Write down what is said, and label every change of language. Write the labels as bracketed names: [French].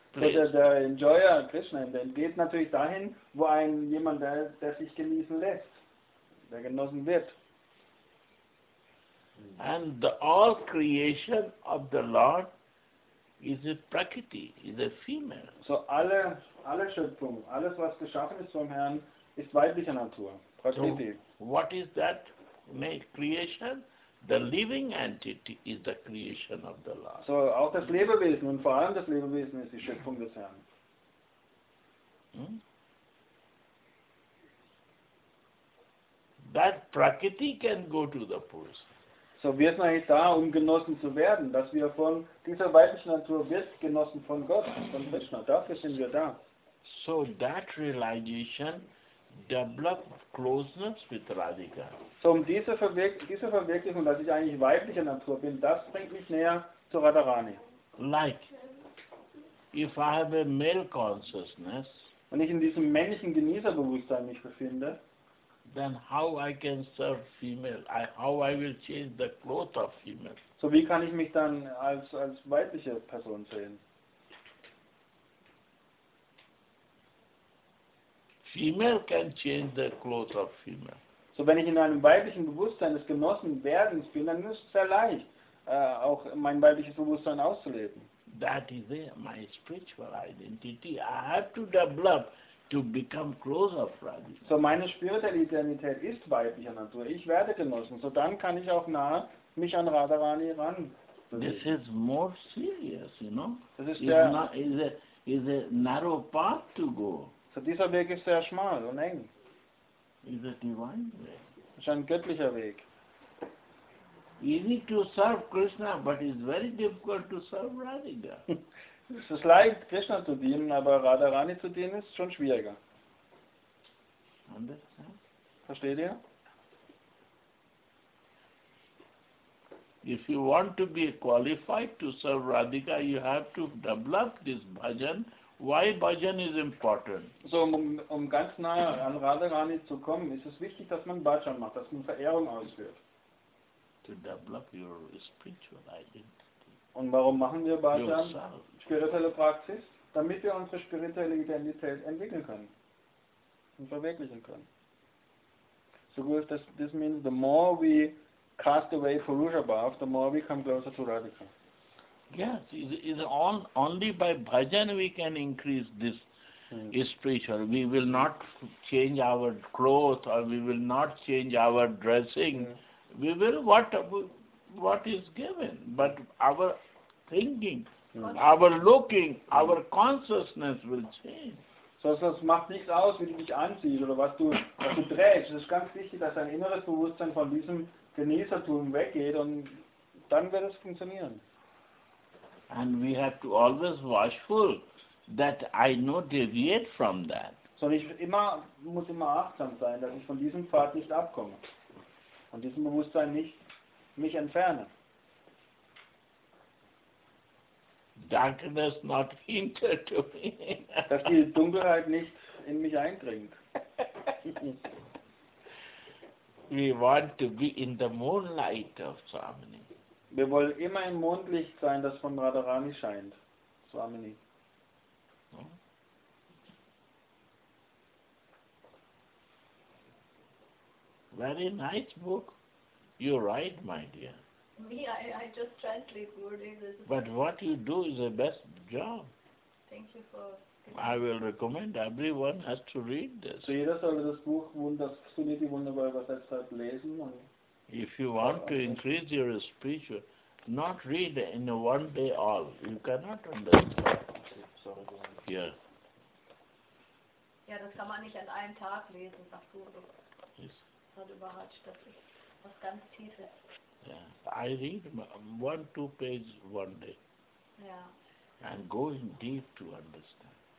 [German] So der Enjoyer Krishna, der geht natürlich dahin, wo jemand, der sich genießen lässt, der genossen wird. [English] And the all creation of the Lord is a Prakriti, is a female. [German] So alle Schöpfung, alles was geschaffen ist vom Herrn, ist weiblicher Natur, Prakriti. [English] So what is that creation? The living entity is the creation of the Lord. [German] So auch das Lebewesen und vor allem das Lebewesen ist die Schöpfung des Herrn. [English] That Prakriti can go to the Purusha. [German] So wir sind eigentlich da, um genossen zu werden, dass wir von dieser weiblichen Natur wird genossen von Gott, von Krishna. Dafür sind wir da. [English] So that realization develops closeness with Radhika. [German] So um diese Verwirklichung, dass ich eigentlich weibliche Natur bin, das bringt mich näher zu Radharani. [English] Like, if I have a male consciousness, [German] wenn ich in diesem männlichen Genießerbewusstsein mich befinde, [English] then how I can serve female? How I will change the clothes of female? [German] So wie kann ich mich dann als weibliche Person sehen? [English] Female can change the clothes of female. [German] So wenn ich in einem weiblichen Bewusstsein des Genossenwerdens bin, dann ist es sehr leicht, auch mein weibliches Bewusstsein auszuleben. [English] That is my spiritual identity. I have to develop to become close of Radhika. [German] So meine spirituelle Identität ist weiblicher Natur. Ich werde genossen. So dann kann ich auch nahe mich an Radharani ran. [English] This is more serious, you know. [German] Das ist [English] is a narrow path to go. [German] So dieser Weg ist sehr schmal und eng. [English] Is a divine way. [German] Ist ein göttlicher Weg. [English] Easy to serve Krishna, but it's very difficult to serve Radhika. [German] Es ist leicht, Krishna zu dienen, aber Radharani zu dienen, ist schon schwieriger. Versteht ihr? [English] If you want to be qualified to serve Radhika, you have to develop this bhajan. Why bhajan is important? [German] So, um ganz nah an Radharani zu kommen, ist es wichtig, dass man bhajan macht, dass man Verehrung ausführt. [English] To develop your spiritual identity. [German] Und warum machen wir Bhajan, spirituelle Praxis? Damit wir unsere spirituelle Identität entwickeln können und verwirklichen können. So gut, [English] this means the more we cast away Purusha Bhav, the more we come closer to Radhika. Yes, it's only by Bhajan we can increase this spiritual. We will not change our clothes or we will not change our dressing. Yeah. We will what is given, but our thinking, our looking, our consciousness will change. [German] So es macht nichts aus, wie du dich anziehst oder was du trägst. Es ist ganz wichtig, dass dein inneres Bewusstsein von diesem Genießertum weggeht und dann wird es funktionieren. [English] And we have to always watchful that I not deviate from that. [German] So ich muss immer achtsam sein, dass ich von diesem Pfad nicht abkomme und diesem Bewusstsein nicht mich entferne. [English] Darkness not enter to me. [German] Dass die Dunkelheit nicht in mich eindringt. [English] We want to be in the moonlight of Swamini. [German] Wir wollen immer im Mondlicht sein, das von Radharani scheint, Swamini. [English] Very nice book you write, my dear. Me, I just translate Gurudev's. But what you do is the best job. Thank you for. I will recommend everyone has to read this. [German] So jeder soll das Buch Sunidhi wunderbar übersetzt hat lesen. [English] If you want to increase your speech, not read in one day all. You cannot understand. Yeah. [German] Ja, das kann man nicht an einem Tag lesen, sagt Gurudev. [English] Yes. [German] Was ganz Tiefes. [English] Yeah. I read one, two pages one day. Yeah. And go in deep to understand.